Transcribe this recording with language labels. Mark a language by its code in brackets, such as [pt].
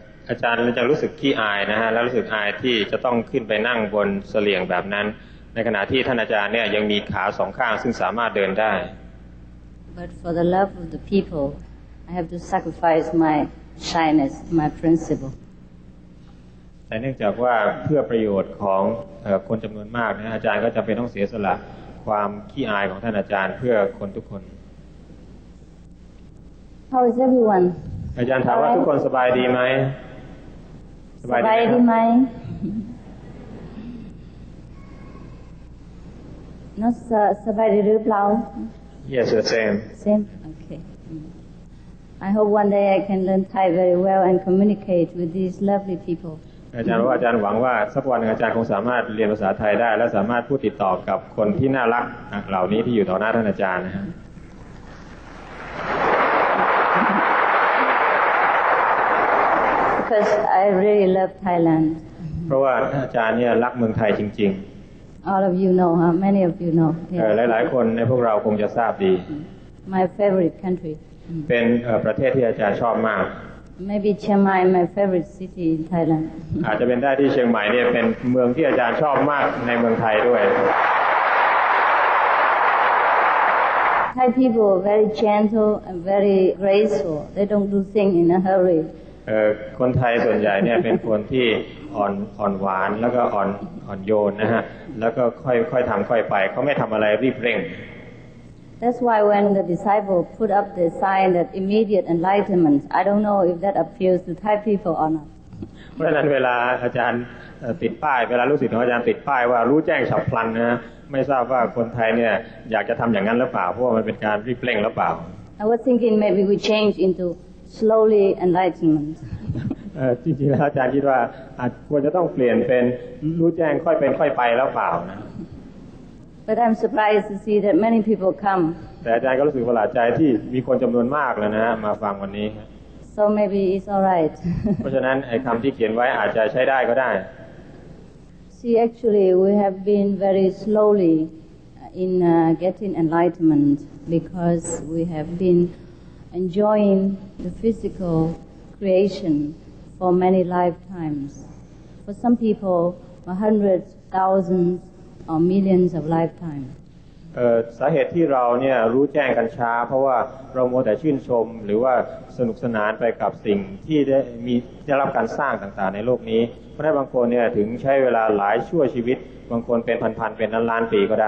[th] อาจารย์จะรู้สึกขี้อายนะฮะแล้วรู้สึกอายที่จะต้องขึ้นไปนั่งบนเสลี่ยงแบบนั้นในขณะที่ท่านอาจารย์เนี่ยยังมีขาสองข้างซึ่งสามารถเดินได้ [en] But for the love of the people, I have to sacrifice my shyness, my principle. [th] แต่เนื่องจากว่าเพื่อประโยชน์ของคนจำนวนมากนะอาจารย์ก็จำเป็นต้องเสียสละความขี้อายของท่านอาจารย์เพื่อคนทุกคน [en] How is everyone? อ [th] าจารย์ถามว่าทุกคนสบายดีไหม สบายดีไหม [en] Not so [th] สบายดีหรือเปล่า [en] Yes, the same. Same. Okay. I hope one day I can learn Thai very well and communicate with these lovely people. [th] อาจารย์ว่าอาจารย์หวังว่าสักวันอาจารย์คงสามารถเรียนภาษาไทยได้และสามารถพูดติดต่อกับคนที่น่ารักเหล่านี้ที่อยู่ต่อหน้าท่านอาจารย์นะฮะ [en] Because I really love Thailand. [th] เพราะว่าอาจารย์เนี่ยรักเมืองไทยจริง [en] ๆ All of you know, huh? Many of you know. Yeah. [th] หลายๆคนในพวกเราคงจะทราบดี [en] My favorite country. [th] เป็นประเทศที่อาจารย์ชอบมาก [en] Maybe Chiang Mai my favorite city in Thailand. [th] อาจจะเป็นได้ที่เชียงใหม่เนี่ยเป็นเมืองที่อาจารย์ชอบมากในเมืองไทยด้วย [en] Thai people are very gentle and very graceful. They don't do things in a hurry. [th] คนไทยส่วนใหญ่เนี่ยเป็นคนที่อ่อนหวานแล้วก็อ่อนโยนนะฮะแล้วก็ค่อยทำค่อยไปเขาไม่ทำอะไรรีบเร่ง [en] That's why when the disciple put up the sign that immediate enlightenment I don't know if that appeals to Thai people or not [th] เพราะฉะนั้นเวลาอาจารย์ติดป้ายเวลาลูกศิษย์ของอาจารย์ติดป้ายว่ารู้แจ้งฉับพลันนะไม่ทราบว่าคนไทยเนี่ยอยากจะทำอย่างนั้นหรือเปล่าเพราะว่ามันเป็นการรีบเร่งหรือเปล่า [en] I was thinking maybe we change intoslowly enlightenment [th] จริงๆแล้วอาจารย์คิดว่าอาจควรจะต้องเปลี่ยนเป็นรู้แจ้งค่อยเป็นค่อยไปแล้วเปล่านะ [en] But I'm surprised to see that many people come [th] แต่อาจารย์ก็รู้สึกประหลาดใจที่มีคนจำนวนมากแล้วนะมาฟังวันนี้ [en] So maybe it's all right [th] เพราะฉะนั้นไอ้คำที่เขียนไว้อาจจะใช้ได้ก็ได้ [en] See actually we have been very slowly in getting enlightenment because we have beenenjoying the physical creation for many lifetimes. For some people, a hundred, thousands, or millions of lifetimes. [th] สาเหตุที่เราเนี่ยรู้แจ้งกันช้าเพราะว่าเรามัวแต่ชื่นชมหรือว่าสนุกสนานไปกับสิ่งที่ได้รับการสร้างต่างๆในโลกนี้เพราะฉะนั้นบางคนเนี่ยถึงใช้เวลาหลายชั่วชีวิตบางคนเป็นพันๆเป็นล้านๆปีก็ได